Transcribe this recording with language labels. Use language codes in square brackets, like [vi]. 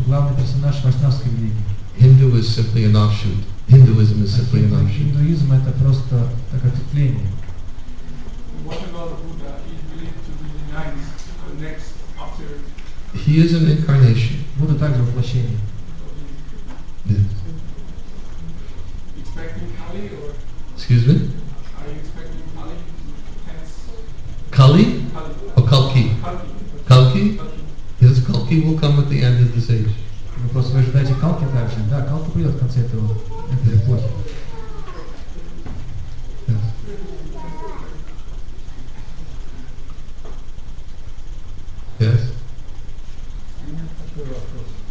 [ru] Главный персонаж вайшнавской религии. [en] Hindu is simply an offshoot. Hinduism is simply an offshoot. [ru] Индуизм это просто так ответвление. [en] What about Buddha? He is believed to be the ninth, next after. He is an incarnation. [ru] Будда также воплощение. [en] Yes. Expecting Kali or? Excuse me. Are you expecting Kali? Hence. Kali? Kali. Or Kalki? Kalki. Kalki? Yes, Kalki will come at the end of this age. [ru] Вы просто ожидаете Kalki также? Да, Kalki придет в конце этого этой эпохи. [en] Yes. Yes. [ru] У меня такой вопрос.